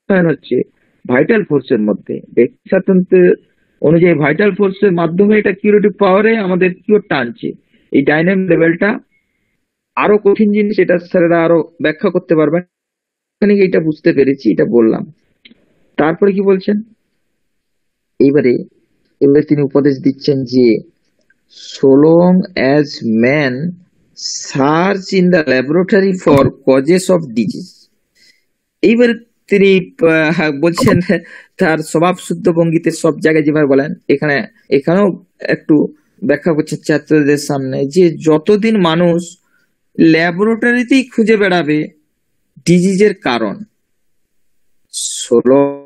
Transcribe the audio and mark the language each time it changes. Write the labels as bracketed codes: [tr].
[bn] হচ্ছে ভাইটাল ফোর্সের মধ্যে, ব্যক্তি স্বাতন্ত্র্য অনুযায়ী ভাইটাল ফোর্সের মাধ্যমে এটা কিউরেটিভ পাওয়ারে আমাদের কিওরটা আনছে, এই ডাইনামিক লেভেলটা আরো কঠিন জিনিস, এটা স্যারেরা আরো ব্যাখ্যা করতে পারবেন, এখানে এটা বুঝতে পেরেছি এটা বললাম। তারপরে কি বলছেন, এইবারে এবারে তিনি উপদেশ দিচ্ছেন যে [en] So long as man search in the laboratory for causes of disease. [bn] এইবার তিনি বলছেন তার স্বভাব শুদ্ধ ভঙ্গিতে সব জায়গায় যেভাবে বলেন, এখানে এখানেও একটু ব্যাখ্যা করছে ছাত্রদের সামনে যে যতদিন মানুষ ল্যাবরেটরিতেই খুঁজে বেড়াবে ডিজিজের কারণ, সোলো